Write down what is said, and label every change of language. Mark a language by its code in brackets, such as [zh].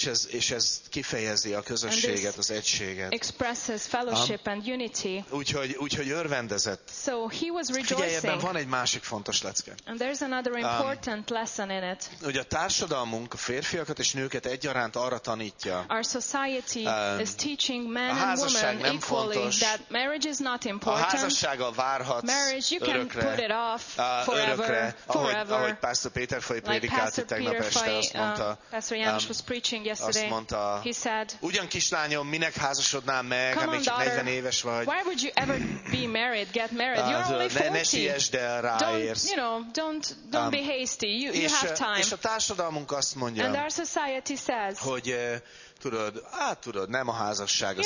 [hu] És ez kifejezi a közösséget, az egységet. [en] Expresses fellowship and unity. [hu] Úgyhogy örvendezett. [en] So he was rejoicing. [hu] Figyelj, ebben van egy másik fontos lecke. [en] And there's another important lesson in it. [hu] Hogy a társadalmunk a férfiakat és nőket egyaránt arra tanítja. [en] Our society is teaching men and women equally that marriage is not important. [hu] A házasság várhatsz [en] marriage, you can [hu] örökre, [en] put it off forever, [hu] örökre, [en] forever. [hu] Ahogy Pastor Péter Foly prédikált [en] like [hu] tegnap [en] Peter [hu] este, Foy, azt mondta, [en] Pastor János was preaching yesterday. [hu] Azt mondta, [en] he said, [hu] ugyan kislányom, minek házasodnám meg, amíg csak 40 éves vagy. [en] Why would you ever be married, get married? You're only 40. [hu] Ne siessd el, ráérsz. [en] Don't be hasty. You have time. [hu] És a társadalmunk azt mondja, [en] and our society says, [hu] hogy tudod, tudod, nem a házasság az